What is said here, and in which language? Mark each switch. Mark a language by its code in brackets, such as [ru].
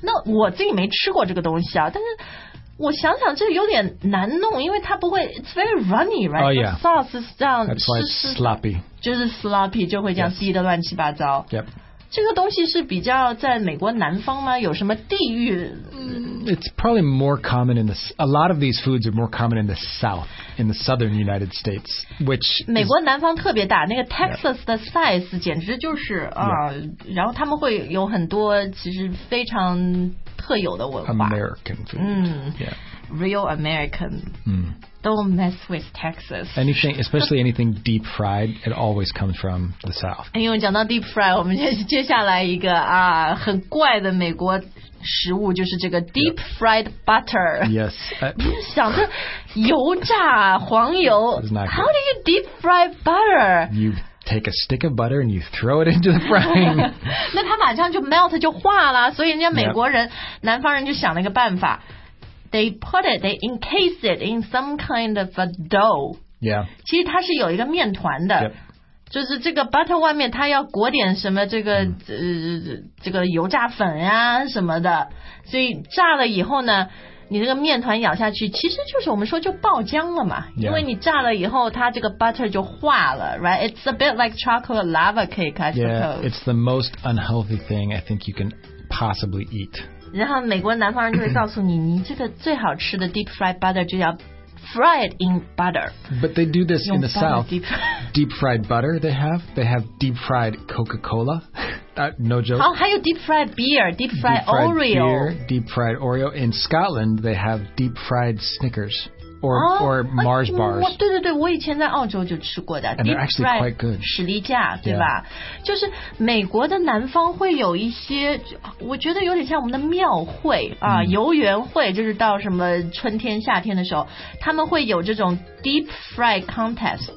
[zh] 那我自己没吃过这个东西啊，但是我想想这有点难弄，因为它不会 [en] it's very runny, right? Oh yeah. The sauce is 这样 That's why it's sloppy. [zh] 就是 sloppy, 就会这样滴得乱七八糟。 [en] Yep. [zh] 这个东西是比较在美国南方吗？有什么地域？ [en] It's probably more common in the, a lot of these foods are more common in the south, in the southern United States, which [zh] 美国南方特别大，那个 Texas 的 size 简直就是啊、 [en] yeah. [zh] 然后他们会有很多其实非常特有的文化 [en] American food、yeah. Real American、Don't mess with Texas anything, Especially anything deep fried It always comes from the south [zh] 因为讲到 deep fried 我们接下来一个、很怪的美国食物就是这个 deep fried butter [en] Yes [zh] 想着油炸黄油 [en] How do you deep fry butter? YouTake a stick of butter and you throw it into the frying. [zh] 那它马上就 melt 就化了，所以人家美国人、yep. 南方人就想了一个办法。 [en] They put it, they encase it in some kind of a dough. Yeah. [zh] 其实它是有一个面团的、 [en] yep. [zh] 就是这个 butter 外面它要裹点什么这个、这个油炸粉啊什么的。所以炸了以后呢你这个面团咬下去其实就是我们说就爆浆了嘛、 [en] yeah. [zh] 因为你炸了以后它这个 butter 就化了 right? [en] It's a bit like chocolate lava cake I suppose Yeah, it's the most unhealthy thing I think you can possibly eat [zh] 然后美国南方人就会告诉你你这个最好吃的 deep fried butter 就要 [en] fry it in butter But they do this in the south deep fried butter they have deep fried Coca-Cola no joke. 还有 deep fried beer, deep fried Oreo. Deep fried Oreo. In Scotland, they have deep fried Snickers. or Mars bars. [zh] 对对对，我以前在澳洲就吃过的。 [en] And they're actually quite good. [zh] 史力架，对吧？ [en] Yeah. [zh] 就是美国的南方会有一些，我觉得有点像我们的庙会啊，游园会，就是到什么春天、夏天的时候，他们会有这种 deep fry contest.